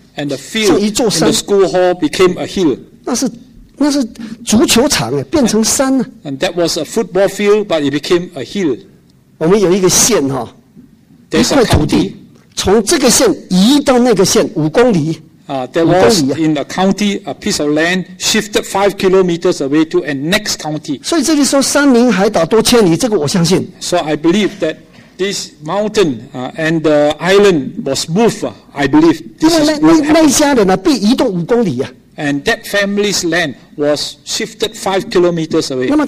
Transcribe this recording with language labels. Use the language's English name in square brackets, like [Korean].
[English] ，and the field in the school hall became a hill. [Chinese] 那是足球场变成山了。 [English] And that was a football field, but it became a hill. [Chinese] 我们有一个县哈，一块土地，从这个县移到那个县5公里。 [English] There was in the county a piece of land shifted 5 kilometers away to a next county. [Chinese] 所以这里说山林海岛多千里，这个我相信。 [English] So I believe that this mountain and the island was moved. I believe this is what happened. [Chinese] 那家人被移动5公里。 [English] And that family's land was shifted 5 kilometers away.